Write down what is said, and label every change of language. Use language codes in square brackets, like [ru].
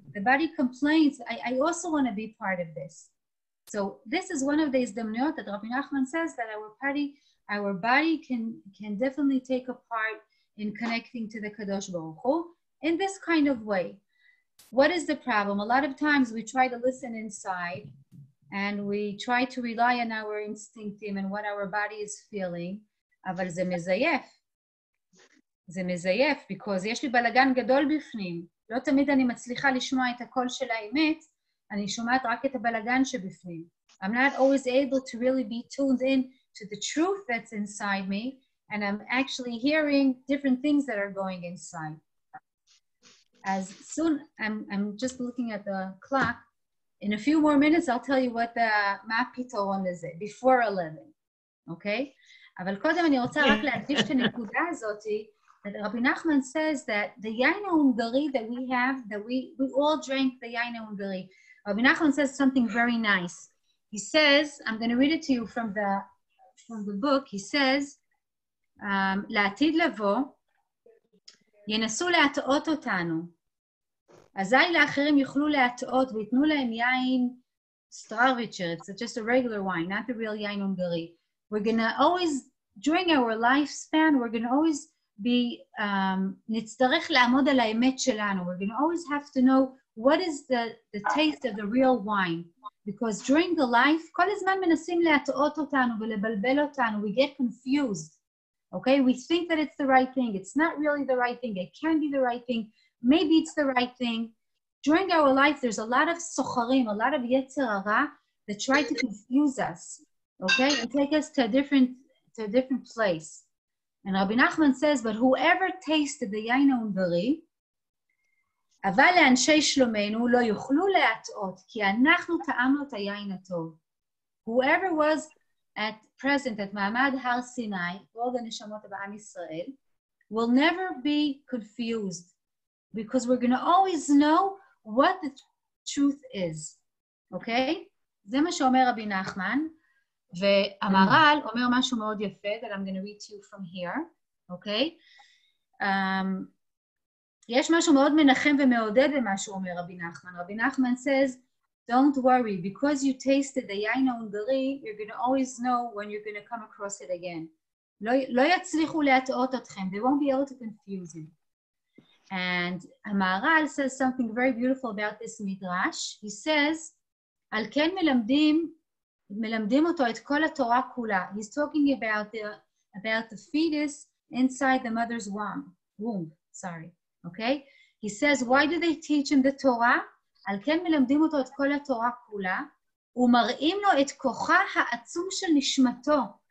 [en] The body complains, I also want to be part of this. So this is one of the hizdamniyot that Rabbi Nachman says that our body can definitely take a part in connecting to the Kadosh Baruch Hu in this kind of way. What is the problem? A lot of times we try to listen inside and we try to rely on our instinctim and what our body is feeling. [he] אבל זה מזייף. זה מזייף, [en] because [he] יש לי בלגן גדול בפנים. לא תמיד אני מצליחה לשמוע את הקול של האמת, אני שומעת רק את הבלגן שבפנים. [en] I'm not always able to really be tuned in to the truth that's inside me, and I'm actually hearing different things that are going inside. As soon, I'm just looking at the clock. In a few more minutes, I'll tell you what the mapitoron is, before 11, okay? [he] אבל קודם אני רוצה רק להדגיש את הנקודה הזאת, [en] that Rabbi Nachman says that the yaina ungari that we have, that we all drank the yaina ungari. Rabbi Nachman says something very nice. He says, I'm going to read it to you from the book. He says, [he] לעתיד לבוא, ינסו להטעות אותנו. אזי לאחרים יוכלו להטעות ויתנו להם יין סטרוויצ'ר. [en] It's just a regular wine, not the real yaina ungari. We're going to always, during our lifespan, we're going to always be, [he] נצטרך לעמוד על האמת שלנו. [en] We're going to always have to know what is the taste of the real wine. Because during the life, [he] כל הזמן מנסים להטעות אותנו ולבלבל אותנו. [en] We get confused. Okay? We think that it's the right thing. It's not really the right thing. It can be the right thing. Maybe it's the right thing. During our life, there's a lot of סוחרים, a lot of יצר הרע that try to confuse us. Okay, and take us to a different place. And Rabbi Nachman says, but whoever tasted the yayin ha'unbari, [he] אבל לאנשי שלומנו לא יוכלו להטעות, כי אנחנו טעמנו את היין הטוב. [en] Whoever was at present at מעמד הר סיני, all the נשמות בעם ישראל, will never be confused, because we're going to always know what the truth is. Okay? [he] זה מה שאומר [en] Rabbi Nachman. [he] והמהר"ל אומר משהו מאוד יפה, [en] that I'm going to read to you from here, okay? [he] יש משהו מאוד מנחם ומעודד למה שהוא אומר רבי נחמן. [en] רבי נחמן says, don't worry, because you tasted the yain ha'ungari, you're going to always know when you're going to come across it again. [he] לא יצליחו להטעות אתכם, [en] they won't be able to confuse you. And המהר"ל says something very beautiful about this midrash. He says, [he] על כן מלמדים אותו את כל התורה כולה. [en] He's talking about the fetus inside the mother's womb. Sorry. Okay? He says, why do they teach him the Torah? [he] על כן מלמדים אותו את כל התורה כולה, ומראים לו את כוחה העצום של נשמתו.